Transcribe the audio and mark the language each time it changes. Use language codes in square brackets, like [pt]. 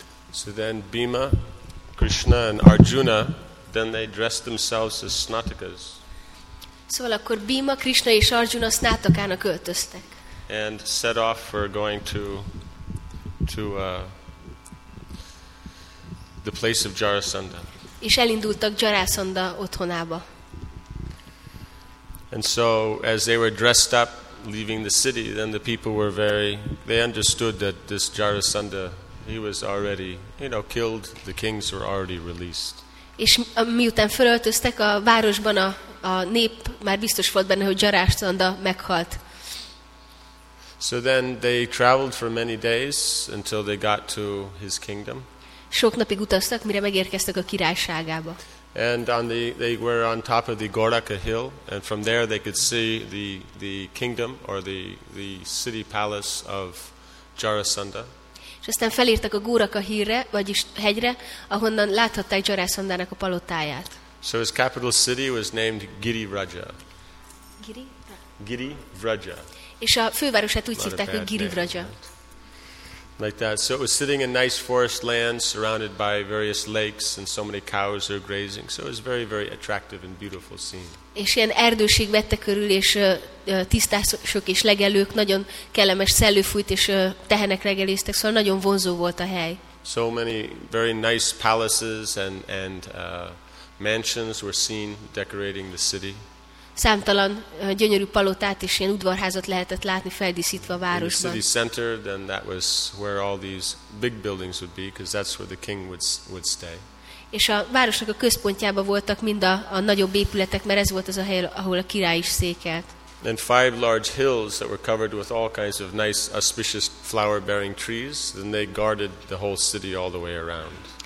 [en] So then Bhima, Krishna and Arjuna, then they dressed themselves as snatakas. [hu] Szóval akkor Bhima, Krishna és Arjuna snatakának öltöztek. [en] And set off for going to the place of Jarasandha. [hu] És elindultak Jarasandha otthonába. [en] And so as they were dressed up leaving the city, then the people were they understood that this Jarasandha, he was already, killed, the kings were already released. [hu] És miután fölöltöztek a városban, a nép már biztos volt benne, hogy Jarasandha meghalt. [en] So then they traveled for many days until they got to his kingdom. [hu] Sok napig utaztak, mire megérkeztek a királyságába. [en] And they were on top of the Goraka hill, and from there they could see the kingdom or the city palace of Jarasandha. [hu] És aztán felírtak a Goraka hírre, vagyis hegyre, ahonnan láthatták Jarasandának a palotáját. [en] So his capital city was named Girivraja. Girivraja. [hu] És a fővárosát úgy hívták, hogy Girivraja. [en] Like that. So it was sitting in nice forest land surrounded by various lakes and so many cows are grazing. So it was very, very attractive and beautiful scene. [hu] És ilyen erdőség vette körül, és tisztások és legelők, nagyon kellemes szellő fújt, és tehenek legelésztek, szóval nagyon vonzó volt a hely. [en] So many very nice palaces and mansions were seen decorating the city. [hu] Számtalan gyönyörű palotát és ilyen udvarházat lehetett látni feldíszítve a városban. [en] In the city center, then that was where all these big buildings would be, because that's where the king would stay. [hu] És a városnak a központjában voltak mind a nagyobb épületek, mert ez volt az a hely, ahol a király is székelt. [en] And five large hills that were covered with all kinds of nice, auspicious flower-bearing trees, then they guarded the whole city all the way around.